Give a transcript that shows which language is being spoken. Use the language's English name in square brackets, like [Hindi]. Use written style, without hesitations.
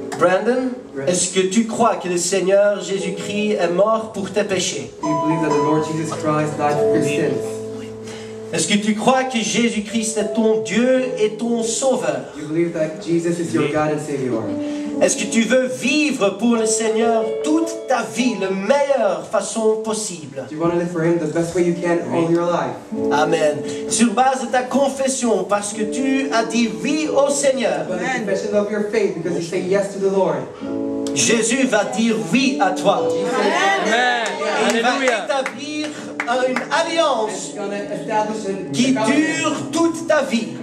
[French] Brandon, est-ce que tu crois que le Seigneur Jésus-Christ est mort pour tes péchés? [English] Do you believe that the Lord Jesus Christ died for your sins? [French] Est-ce que tu crois que Jésus-Christ est ton Dieu et ton Sauveur? [English] Do you believe that Jesus is your God and Savior? [French] Est-ce que tu veux vivre pour le Seigneur toute ta vie, la meilleure façon possible? [English] Do you want to live for Him the best way you can all your life? [French] Amen. Sur base de ta confession, parce que tu as dit oui au Seigneur. [English] On the confession of your faith, because you say yes to the Lord. [French] Jésus va dire oui à toi. Amen. Il va établir une alliance qui dure toute ta vie.